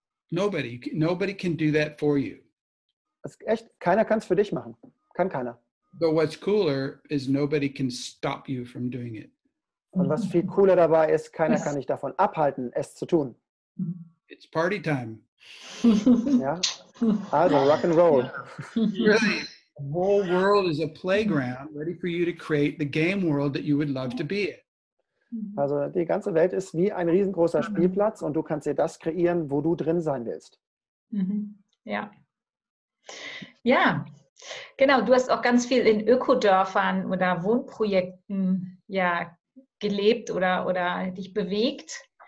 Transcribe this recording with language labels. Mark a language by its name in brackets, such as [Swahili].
[English] Nobody can do that for you. [German] Echt, keiner kann es für dich machen. Kann keiner. [English] But what's cooler is nobody can stop you from doing it. [German] Und was viel cooler dabei ist, keiner kann dich davon abhalten, es zu tun. [English] It's party time. [German] Ja. Also rock and roll. [English] Really, the whole world is a playground ready for you to create the game world that you would love to be in. [German] Also die ganze Welt ist wie ein riesengroßer Spielplatz und du kannst dir das kreieren, wo du drin sein willst. Mhm. Ja. Ja. Genau, du hast auch ganz viel in Ökodörfern oder Wohnprojekten ja gelebt oder dich bewegt.